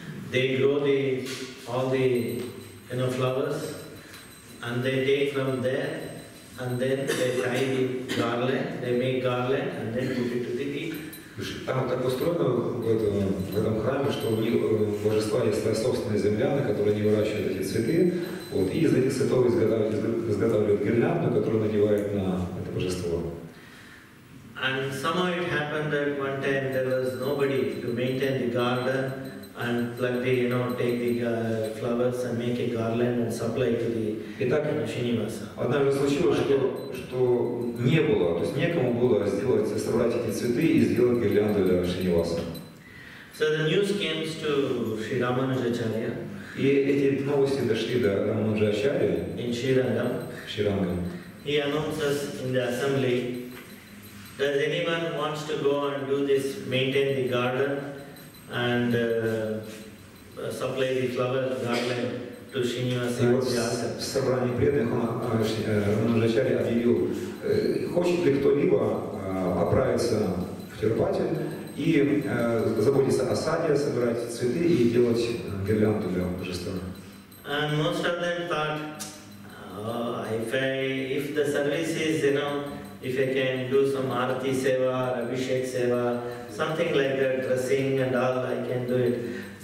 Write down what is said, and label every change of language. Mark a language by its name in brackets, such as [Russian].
[English] They grow all the flowers, and they take from there, and then they tie the garland. They make garland and then put it to the feet. [Russian] Там так устроено в этом храме, что у них божества есть собственная земля, на которой они выращивают эти цветы. Вот, и из этих цветов изготавливают гирлянду, которую надевают на это божество. [English] And somehow it happened that one time there was nobody to maintain the garden and plug the, you know, take the flowers and make a garland and supply to the Shinivasa. [Russian] Однажды случилось, что не было, то есть некому было собрать эти цветы и сделать гирлянду для Шринивасы. [English] So the news came to Sri Ramanujacharya. [Russian] И эти новости дошли до Рамануджачарьи. [English] In Shiranga. Shiranga. He announces in the assembly, does anyone wants to go and do this, maintain the garden and supply the flower garland to Shinivasa? [Russian] И вот в собрании преданных Рамануджачарья объявил, хочет ли кто-либо отправиться в Тирупати и заботиться о саде, собирать цветы и делать гирлянду для божества. [English] And most of them thought, if the service is, you know, if I can do some arati seva, abhishek seva, something like that, dressing and all, I can do it.